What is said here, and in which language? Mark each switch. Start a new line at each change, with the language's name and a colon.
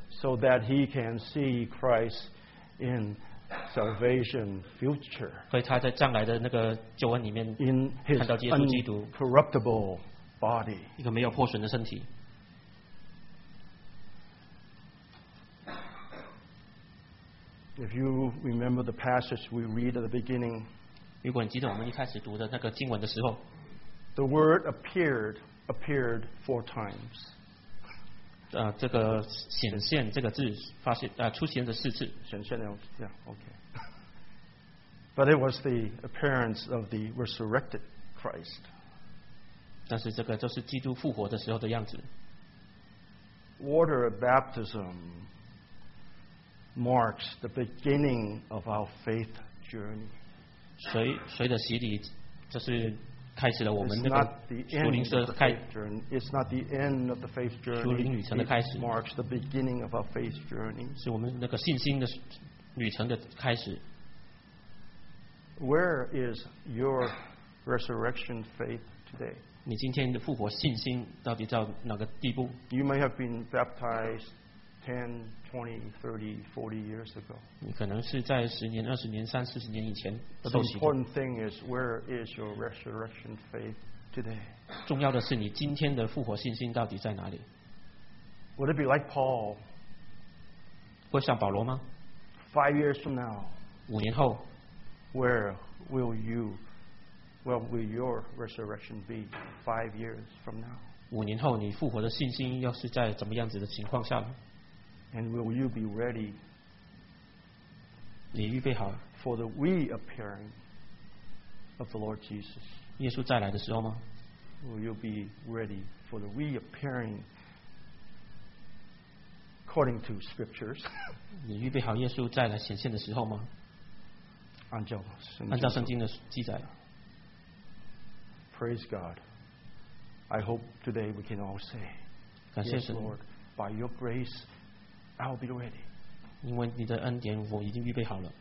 English: So that he can see Christ in salvation future.
Chinese: 所以他在将来的那个救恩里面，看到耶稣基督。
English: Incorruptible body.
Chinese: 一个没有破损的身体。
English: If you remember the passage we read at the beginning,
Chinese: 如果你记得我们一开始读的那个经文的时候，
English: the word appeared 4 times.
Chinese: 这个显现这个字发现出现的4次。显现了 ，
English: Yeah, okay. But it was the appearance of the resurrected Christ.
Chinese: 但是这个就是基督复活的时候的样子。
English: Water baptism. Marks the beginning of our faith journey.
Chinese: 水的洗礼，这是开始了我们那个属灵的开始。
English: It's not the end of the faith journey.
Chinese: 属灵旅程的开始。
English: It marks the beginning of our faith journey.
Chinese: 是我们那个信心的旅程的开始。
English: Where is your resurrection faith today?
Chinese: 你今天的复活信心到底到哪个地步？
English: You may have been baptized. 10, 20, 30, 40 years ago.
Chinese: 你可能是在十年、二十年、三四十年以前受洗。
English: But the important thing is, where is your resurrection faith today?
Chinese: 重要的是你今天的复活信心到底在哪里？
English: Would it be like Paul?
Chinese: 会像保罗吗？
English: 5 years from now.
Chinese: 五年后。
English: Where will your resurrection be 5 years from now?
Chinese: 五年后你复活的信心又是在怎么样子的情况下呢？
English: And will you be ready?
Chinese: 你预备好
English: for the reappearing of the Lord Jesus.
Chinese: 耶稣再来的时候吗？
English: Will you be ready for the reappearing according to scriptures?
Chinese: 你预备好耶稣再来显现的时候吗？按照圣经的记载。
English: Praise God. I hope today we can all say,
Chinese: 感谢神
English: yes, Lord, by your grace. I'll be ready.
Chinese: 因为你的恩典，我已经预备好了。